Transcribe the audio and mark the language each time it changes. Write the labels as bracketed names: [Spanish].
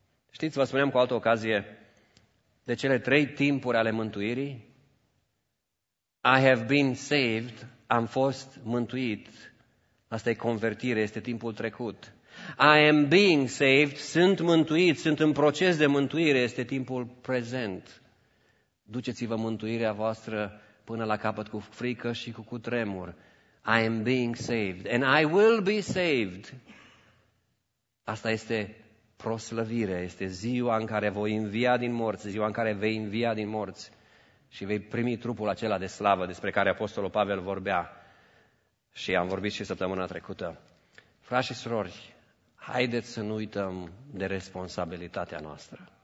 [Romanian] Știți, vă spuneam cu altă ocazie, de cele trei timpuri ale mântuirii, [English] I have been saved, [Romanian] am fost mântuit. Asta e convertire, este timpul trecut. [English] I am being saved, [Romanian] sunt mântuit, sunt în proces de mântuire, este timpul prezent. Duceți-vă mântuirea voastră până la capăt cu frică și cu cutremur. [English] I am being saved and I will be saved. [Romanian] Asta este proslăvire, este ziua în care voi învia din morți, ziua în care vei învia din morți și vei primi trupul acela de slavă despre care Apostolul Pavel vorbea și am vorbit și săptămâna trecută. Frați și surori, haideți să nu uităm de responsabilitatea noastră.